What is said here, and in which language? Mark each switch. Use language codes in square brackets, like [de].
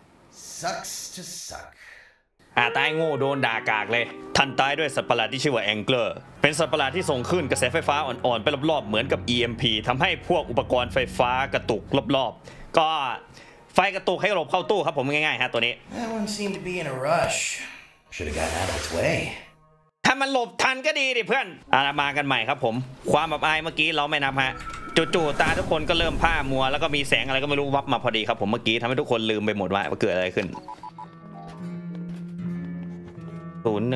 [en] sucks to suck [th] ตายโง่โดนด่ากากเลยท่านตายด้วยสัตว์ประหลาดที่ชื่อว่าแองเกิลเป็นสัตว์ประหลาดที่ส่งขึ้นกระแสไฟฟ้าอ่อนๆไปรอบๆเหมือนกับ EMP ทำให้พวกอุปกรณ์ไฟฟ้ากระตุกรอบๆก็ไฟกระตุกให้หลบเข้าตู้ครับผมง่ายๆฮะตัวนี้ [en] That one seemed to be in a rush. Should have got out of its way. [th] ถ้ามันหลบทันก็ดีดิเพื่อนมากันใหม่ครับผมความอับอายเมื่อกี้เราไม่นับฮะจู่ๆตาทุกคนก็เริ่มผ้ามัวแล้วก็มีแสงอะไรก็ไม่รู้วับมาพอดีครับผมเมื่อกี้ทำให้ทุกคนลืมไปหมดว่าเกิดอะไรขึ้น011